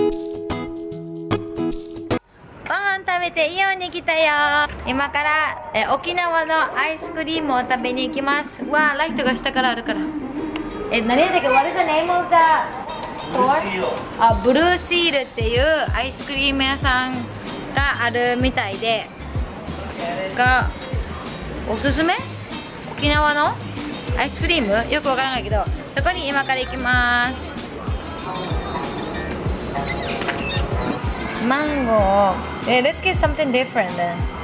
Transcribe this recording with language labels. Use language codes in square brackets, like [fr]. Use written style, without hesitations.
[ja] ご飯食べてイオンに来たよ。今から沖縄のアイスクリームを食べに行きます。わー、ライトが下からあるから。え、何やったっけ、 [en] What is the name of the store? [ja] ブルーシールっていうアイスクリーム屋さんがあるみたいで、がおすすめ沖縄のアイスクリーム、よくわからないけど、そこに今から行きます。 [en] マンゴー、yeah, Let's get something different then.